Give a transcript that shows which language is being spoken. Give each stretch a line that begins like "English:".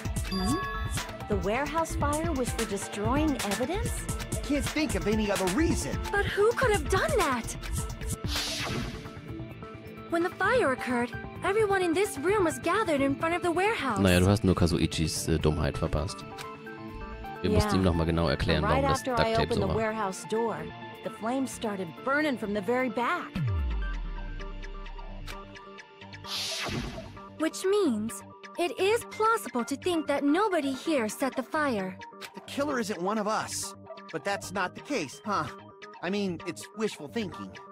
English: Hmm? The warehouse fire was for destroying evidence? Can't think of any other reason. But who could have done that? When the fire occurred, everyone in this room was gathered in front of the warehouse.
German: Naja, du hast nur Kazuichis Dummheit verpasst. Wir mussten ihm noch mal genau erklären, warum das Duct Tape so war.
English: The flames started burning from the very back. Which means, it is plausible to think that nobody here set the fire. The killer isn't one of us. But that's not the case, huh? I mean, it's wishful thinking.